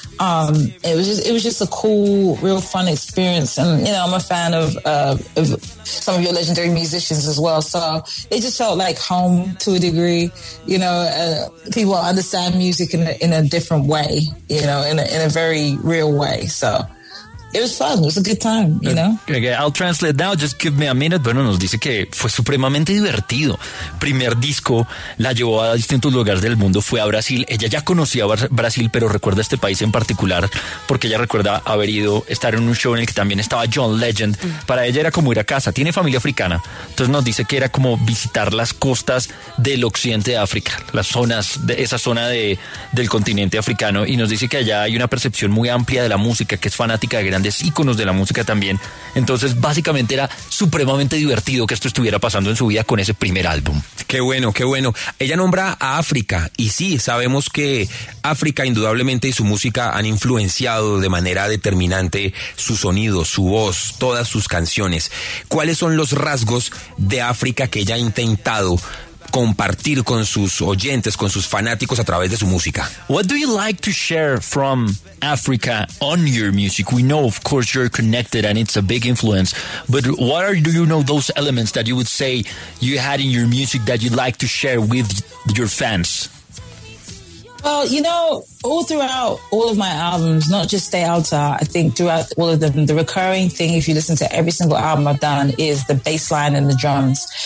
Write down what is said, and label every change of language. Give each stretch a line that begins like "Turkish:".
English: It was just a cool, real fun experience, and you know, I'm a fan of some of your legendary musicians as well, so it just felt like home to a degree. You know, people understand music in a different way, you know, in a very real way. So it was fun. It was a good time, you know. Okay, I'll translate now. Just give me a minute.
Spanish: Bueno, nos dice que fue supremamente divertido. Primer disco la llevó a distintos lugares del mundo. Fue a Brasil. Ella ya conocía Brasil, pero recuerda este país en particular porque ella recuerda haber ido estar en un show en el que también estaba John Legend. Para ella era como ir a casa. Tiene familia africana. Entonces nos dice que era como visitar las costas del occidente de África, las zonas de esa zona del continente africano. Y nos dice que allá hay una percepción muy amplia de la música, que es fanática de grandes íconos de la música también. Entonces, básicamente era supremamente divertido que esto estuviera pasando en su vida con ese primer álbum. Qué bueno, qué bueno. Ella nombra a África, y sí, sabemos que África indudablemente y su música han influenciado de manera determinante su sonido, su voz, todas sus canciones. ¿Cuáles son los rasgos de África que ella ha intentado compartir con sus oyentes, con sus fanáticos a través de su música?
English: What do you like to share from Africa on your music? We know, of course, you're connected and it's a big influence, but what are, do you know, those elements that you would say you had in your music that you'd like to share with your fans? Well, you know, all throughout all of my albums, not just Stay Alta, I think throughout all of them, the recurring thing, if you listen to every single album I've done, is the bass line and the drums.